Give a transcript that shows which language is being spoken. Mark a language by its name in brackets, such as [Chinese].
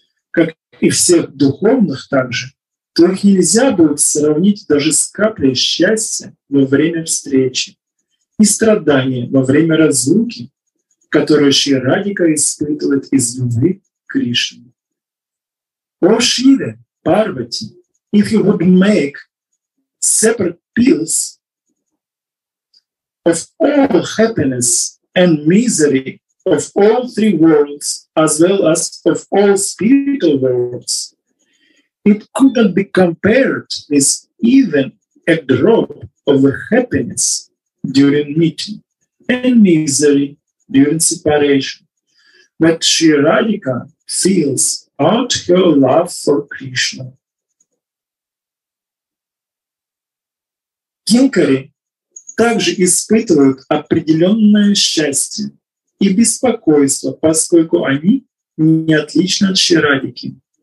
[Russian] как и всех духовных также, то их нельзя будет сравнить даже с каплей счастья во время встречи и страдания во время разлуки, которую Шри Радика испытывает из любви к Кришне. О Шиве, [English] Парвати, if you would make separate pills of all happiness and misery of all three worlds as well as of all spiritual worlds, it couldn't be compared with even a drop of happiness during meeting and misery during separation. But Sri Radhika feels out her love for Krishna. [Russian] Кинкари также испытывают определенное счастье и беспокойство, поскольку они не отличны от Шри Радхики.